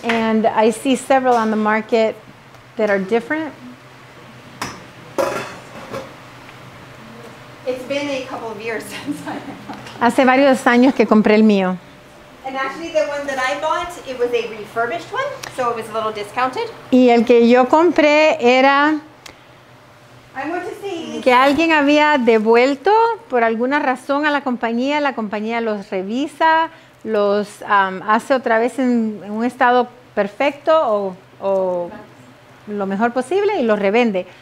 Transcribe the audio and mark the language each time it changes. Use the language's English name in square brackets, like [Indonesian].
[English] And I see several on the market that are different. It's been a couple of years since I bought. [Spanish] Hace varios años que compré el mío. [English] And actually, the one that I bought, it was a refurbished one, so it was a little discounted. [Spanish] Y el que yo compré era que alguien había devuelto por alguna razón a la compañía los revisa. Los hace otra vez en un estado perfecto o lo mejor posible y los revende.